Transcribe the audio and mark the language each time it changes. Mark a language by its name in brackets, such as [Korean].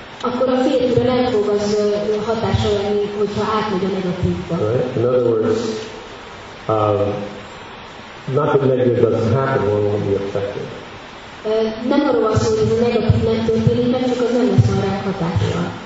[Hungarian] Akkor a férjére nem fog az hatása lenni, hogyha átmegy a negatívba. [English] Right? In other words, not that negative doesn't happen, or it won't be affected. [Hungarian] Nem arról van szó, hogy ez a negatív nem történik, mert csak az nem lesz van rá hatása.